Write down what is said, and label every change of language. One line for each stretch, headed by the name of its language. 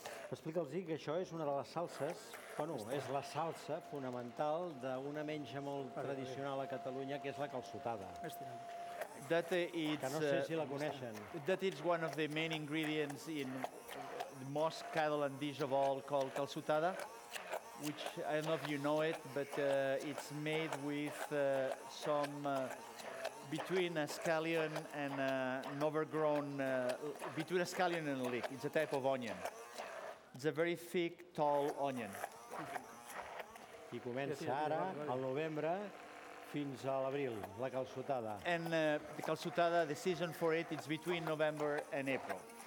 Catalan: Explica'ls que això és una de les salses, bueno, és la salsa fonamental d'una menja molt tradicional a Catalunya, que és la calçotada.
English: That it's,
Catalan: que no sé si la coneixen.
English: That it's one of the main ingredients in the most Catalan dish of all called calçotada, which I don't know if you know it, but it's made with some between a scallion and an overgrown, between a scallion and a leek. It's a type of onion. It's a very thick, tall onion.
Catalan: I comença ara, al novembre, fins a l'abril, la calçotada.
English: And the calçotada, the season for it, it's between November and April.